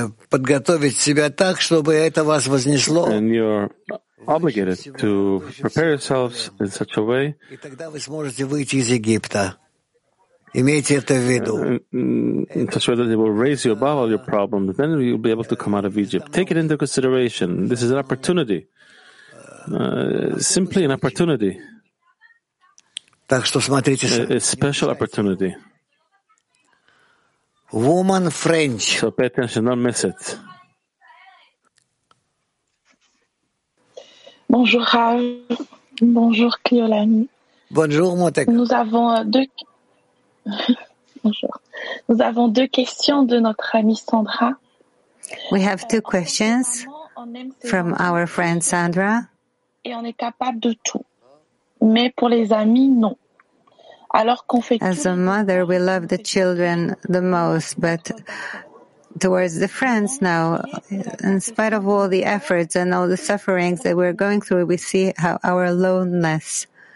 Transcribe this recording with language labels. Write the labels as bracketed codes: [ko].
[ru] Подготовить себя так, чтобы это вас вознесло. [en] And you're obligated to prepare yourselves in such a way. [ru] И тогда вы сможете выйти из Египта. Имейте это в виду. [en] In such a way that it will raise you above all your problems, then you'll be able to come out of Egypt. Take it into consideration. This is an opportunity. Simply an opportunity. [ru] Так что смотрите. [en] A special opportunity. Woman French. So pay attention, don't miss it. [fr] Bonjour Rav. Bonjour Cléolani. Bonjour Montek. Nous avons deux. Bonjour. Nous avons deux questions de notre amie Sandra. [en] We have two questions from our friend Sandra. [fr] Et on est capable de tout. Mais pour les amis, non. [en] As a mother, we love the children the most, but towards the friends now, in spite of all the efforts and all the sufferings that we're going through, we see how our loneliness.